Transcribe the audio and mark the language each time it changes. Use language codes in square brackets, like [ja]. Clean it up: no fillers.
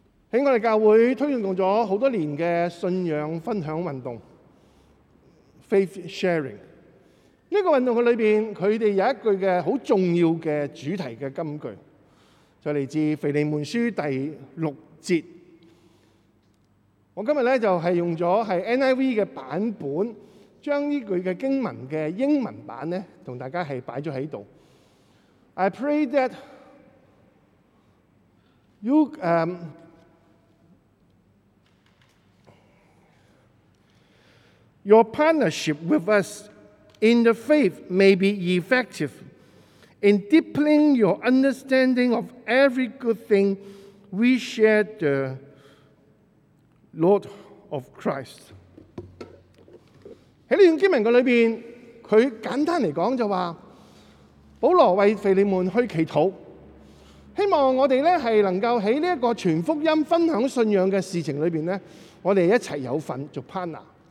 [zh] 在我们教会推动了很多年的信仰分享运动 [en] Faith Sharing， [zh] 这个运动里面他们有一句的很重要的主题的金句，就来自腓利门书第六节。我今天就是用了 NIV 的版本，将这句的经文的英文版呢跟大家放在这里。 [en] I pray that you your partnership with us in the faith may be effective in deepening your understanding of every good thing we share theLord of Christ。 [zh] 在这段经文里面，他简单来讲就说，保罗为腓利门去祈祷，希望我们是能够在这个传福音分享信仰的事情里面，我们一起有份做 partner。